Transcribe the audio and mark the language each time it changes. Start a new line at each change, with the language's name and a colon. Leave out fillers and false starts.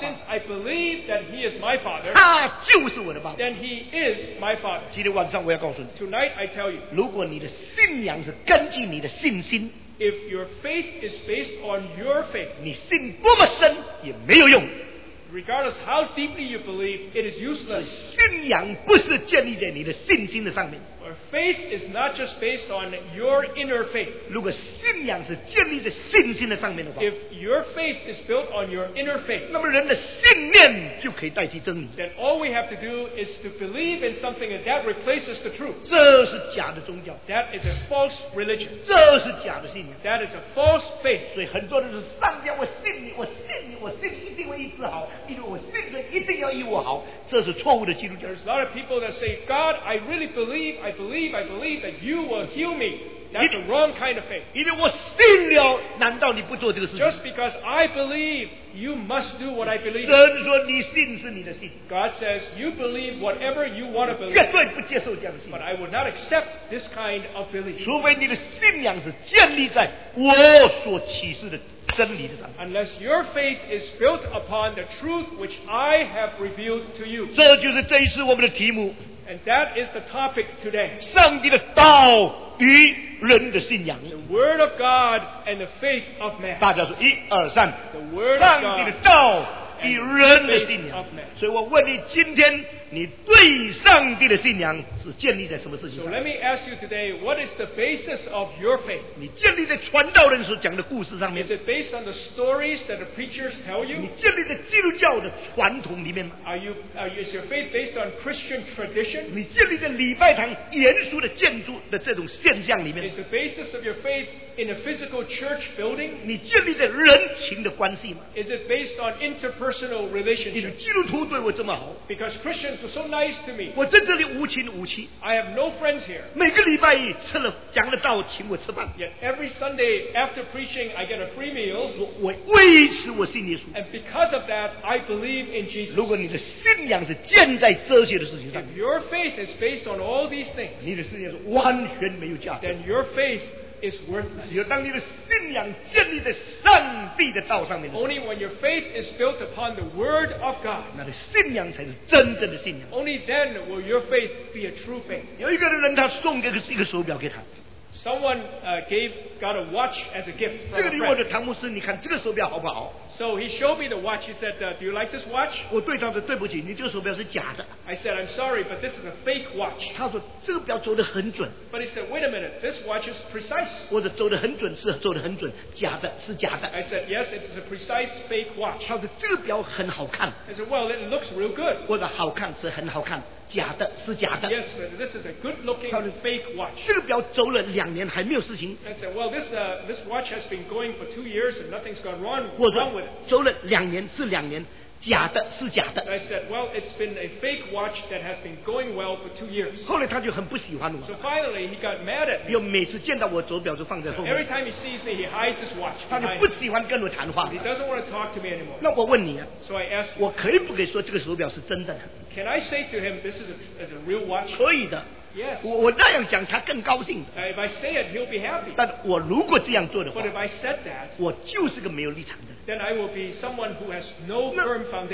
English: Since I believe that he is my father,
Chinese: 他就是我的爸爸。
English: Then he is my father.
Chinese: 今天晚上我要告诉你。
English: Tonight I tell you.
Chinese: 如果你的信仰是根据你的信心。
English: If your faith is based on your faith.
Chinese: 你信多么深也没有用。
English: Regardless how deeply you believe, it is useless.
Chinese: 信仰不是建立在你的信心的上面。
English: Our faith is not just based on your inner faith.
Chinese: 如果信仰是建立在信心的上面的话，
English: if your faith is built on your inner faith,
Chinese: 那么人的信念就可以代替真理。
English: Then all we have to do is to believe in something and that replaces the truth.
Chinese: 这是假的宗教。
English: That is a false religion.
Chinese: 这是假的信仰。
English: That is a false faith.
Chinese: 所以很多人是上帝，我信你，我信你，我信一定会医治好，因为我信的一定要医我好。这是错误的基督教。
English: There's a lot of people that say, God, I really believe. I believe that you will heal me. That's the wrong kind of faith.
Chinese: 因为我信了，难道你不做这个事情？
English: Just because I believe, you must do what I believe.
Chinese: 神说你信是你的信。
English: God says you believe whatever you want to believe.
Chinese: 绝对不接受这样的信。
English: But I will not accept this kind of belief.
Chinese: 除非你的信仰是建立在我所启示的真理的上。
English: Unless your faith is built upon the truth which I have revealed to you.
Chinese: 这就是这一次我们的题目。
English: And that is the topic today.
Chinese: 上帝的道与人的信仰。
English: The word of God and the faith of man.
Chinese: 大家说一二三。
English: The word of God and the faith of man.
Chinese: 所以我问你今天你对上帝的信仰是建立在什么事情上？
English: So let me ask you today, what is the basis of your faith?
Chinese: 你建立在传道人所讲的故事上面。
English: Is it based on the stories that the preachers tell you?
Chinese: 你建立在基督教的传统里面吗？
English: Is your faith based on Christian tradition?
Chinese: 你建立在礼拜堂严肃的建筑的这种现象里面。
English: Is the basis of your faith in a physical church building?
Chinese: 你建立在人情的关系吗？
English: Is it based on interpersonal relationships?
Chinese: 你的基督徒对我这么好。
English: Because Christians are so nice to me.
Chinese: 我在这里无情无义。
English: I have no friends here.
Chinese: 每个礼拜一吃了讲了道，请我吃饭。
English: Yet every Sunday after preaching, I get a free meal.
Chinese: 我为此我信耶稣。
English: And because of that, I believe in Jesus.
Chinese: 如果你的信仰是建在这些的事情上，
English: If your faith is based on all these things,
Chinese: 你的信仰是完全没有价值。
English: Then your faith is worthless.
Chinese: 当你的信仰建立在上帝的道上面的时候，
English: Only when your faith is built upon the word of God.
Chinese: 那个信仰才是真正的信仰。
English: Only then will your faith be a true faith.
Chinese: 有一个人他送一个手表给他。
English: Someone got a watch as a gift from a friend.
Chinese: 这个你问的唐牧师，你看这个手表好不好？
English: So he showed me the watch. He said, do you like this watch?
Chinese: 我对他说，对不起，你这个手表是假的。
English: I said, I'm sorry, but this is a fake watch.
Chinese: 他说，这个表走得很准。
English: But he said, wait a minute, this watch is precise.
Chinese: 我说，走得很准，是走得很准，假的，是假的。
English: I said, yes, it is a precise fake watch.
Chinese: 他说，这个表很好看。
English: I said, well, it looks real good.
Chinese: 我说，好看是很好看。假的是假的。
English: Yes, this is a good-looking fake watch.
Chinese: 这个表走了两年还没有事情。
English: I said, well, this watch has been going for 2 years and nothing's gone wrong with it.
Chinese: 走了两年是两年，假的是假的。
English: I said, well, it's been a fake watch that has been going well for 2 years.
Chinese: 后来他就很不喜欢我。
English: So finally, he got mad at me.
Chinese: 又每次见到我手表就放在后面。
English: Every time he sees me, he hides his watch.
Chinese: 他就不喜欢跟我谈话。
English: He doesn't want to talk to me anymore.
Chinese: 那我问你啊。
English: So I asked him.
Chinese: 我可以不可以说这个手表是真的呢？
English: Can I say to him, this is a real watch?
Chinese: 可以的。
English: Yes.
Chinese: 我那样讲他更高兴。
English: If I say it, he'll be happy.
Chinese: 但我如果这样做的话，
English: But if I said that,
Chinese: 我就是个没有立场的。
English: Then I will be someone who has no firm foundation.